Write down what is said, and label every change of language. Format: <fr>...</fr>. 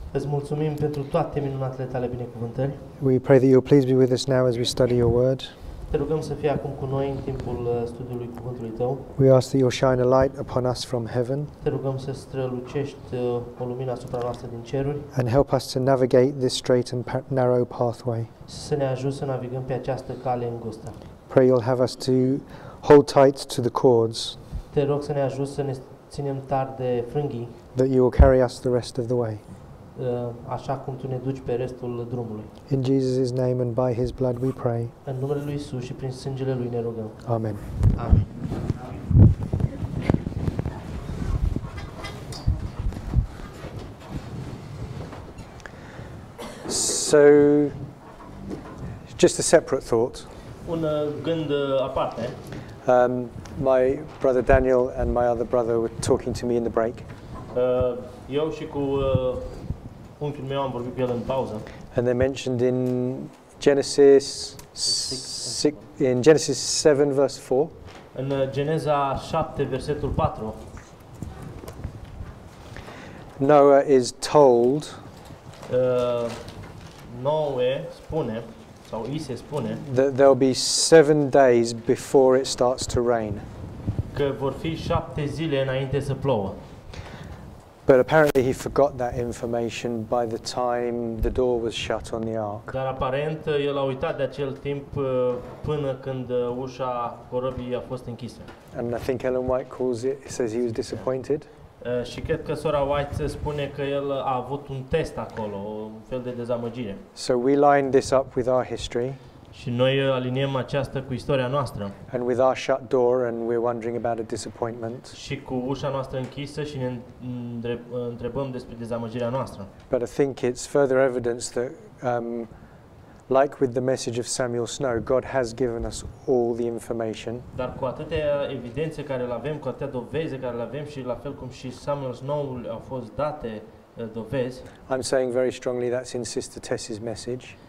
<ro>Îți mulțumim pentru toate minunatele tale binecuvântări.</ro> <en>We pray that you'll please be with us now as we study your word.</en> <ro>Te rugăm să fii acum cu noi în timpul studiului cuvântului tău.</ro> <en>We ask that you'll shine a light upon us from heaven.</en> <ro>Te rugăm să strălucești o lumină asupra noastră din ceruri.</ro> <en>And help us to navigate this straight and narrow pathway.</en> <ro>Să ne ajuți să navigăm pe această cale îngustă.</ro> <en>Pray you'll have us to hold tight to the cords.</en> <ro>Te rog să ne ajuți să ne ținem tare de frânghii.</ro> <en>That you will carry us the rest of the way.</en> <ro>Așa cum tu ne duci pe restul drumului.</ro> <en>In Jesus' name and by his blood we pray.</en> <ro>În numele lui Isus și prin sângele lui ne rugăm.</ro> <en>Amen.</en> <ro>Amen.</ro> <en>So just a separate thought.</en> <ro>Un gând aparte.</ro> <en>My brother Daniel and my other brother were talking to me in the break.</en> <ro>Eu și cu unchiul meu am vorbit cu el în pauză.</ro> <en>And they mentioned in Genesis 7 verse 4.</en> <ro>În Geneza 7 versetul 4.</ro> <en>Noah is told.</en> <ro>Noe spune sau îi se spune</ro> <en>that there'll be 7 days before it starts to rain.</en> <ro>Că vor fi 7 zile înainte să plouă.</ro> <en>But apparently he forgot that information by the time the door was shut on the ark.</en> <ro>Dar aparent el a uitat de acel timp până când ușa corăbii a fost închisă.</ro> <en>And I think Ellen White calls it, says he was disappointed.</en> <ro>Și cred că sora White spune că el a avut un test acolo, un fel de dezamăgire.</ro> <en>So we line this up with our history.</en> <ro>Și noi aliniem aceasta cu istoria noastră.</ro> <en>And with our shut door and we're wondering about a disappointment.</en> <ro>Și cu ușa noastră închisă și ne întrebăm despre dezamăgirea noastră.</ro> <en>But I think it's further evidence that like with the message of Samuel Snow, God has given us all the information.</en> <ro>Dar cu atâtea evidențe care le avem, cu atâtea dovezi care le avem și la fel cum și Samuel Snow au fost date dovezi.</ro> <en>I'm saying very strongly that's in Sister Tess's message.</en>